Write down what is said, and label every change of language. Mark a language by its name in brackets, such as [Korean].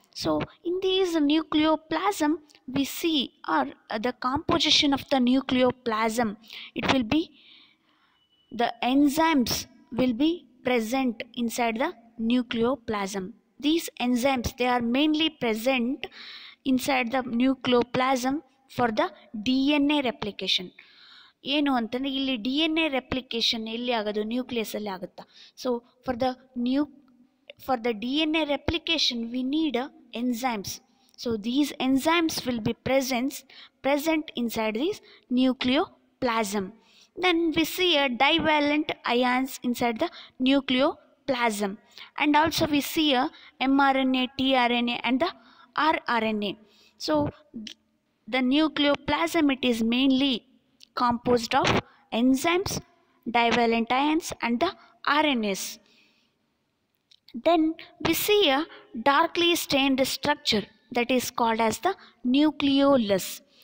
[English] So in these nucleoplasm, we see, or the composition of the nucleoplasm, it will be, the enzymes will be present inside the nucleoplasm. These enzymes, they are mainly present inside the nucleoplasm for the DNA replication. [Kannada] ಏನು ಅಂತಂದರೆ ಇಲ್ಲಿ D N A replication ಎಲ್ಲಿ ಆಗೋದು? ನ್ಯೂಕ್ಲಿಯಸಲ್ಲಿ ಆಗುತ್ತಾ? [English] So for the D N A replication we need enzymes. So these enzymes will be present inside these nucleoplasm. Then we see a divalent ions inside the nucleoplasm. And also we see a M R N A, T R N A and the R R N A. So the nucleoplasm, it is mainly composed of enzymes, divalent ions and the RNAs. Then we see a darkly stained structure, that is called as the nucleolus.